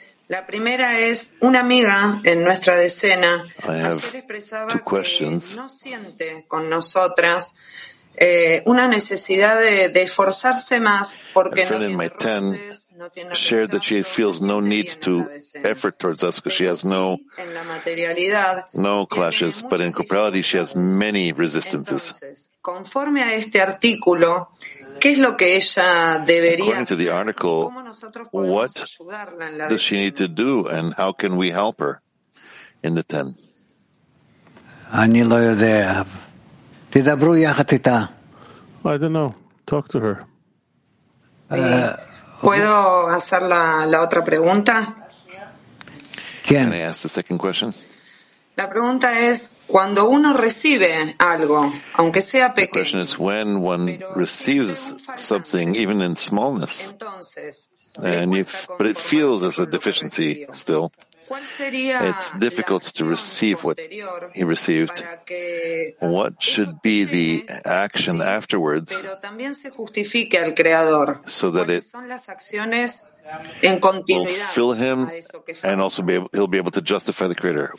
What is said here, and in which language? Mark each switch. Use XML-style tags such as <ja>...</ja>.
<es>La primera es una amiga en nuestra decena.</es> <en>I have two questions.</en> <es>No siente con nosotras una necesidad de esforzarse más porque no tiene roces, no tiene roces.</es> <en>Shared that she feels no need to effort towards us because she has no clashes, but in corporality she has many resistances.</en> <es>Entonces, conforme a este artículo, ¿qué es lo que ella debería</es> <en>according to the article, what does she need to do and how can we help her in the 10? I don't know. Talk to her.</en> <es>¿Puedo hacer la otra pregunta?</es> <en>Can I ask the second question?</en> <es>La pregunta es, cuando uno recibe algo, aunque sea pequeño.</es> <en>The question is when one receives something, even in smallness, but it feels as a deficiency still. It's difficult to receive what he received. What should be the action afterwards so that it will fill him and also he'll be able to justify the Creator?</en>